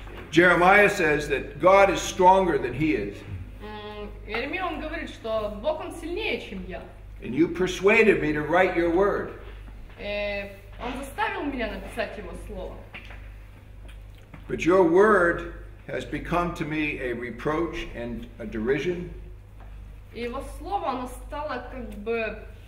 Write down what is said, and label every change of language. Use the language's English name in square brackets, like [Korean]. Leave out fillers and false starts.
[English] Jeremiah says that God is stronger than he is. [Russian] Иеремия, он говорит, что Бог, он сильнее, чем я. [English] And you persuaded me to write your word. [Russian] Он заставил меня написать его слово. [English] But your word has become to me a reproach and a derision. [Russian] И его слово, оно стало как бы...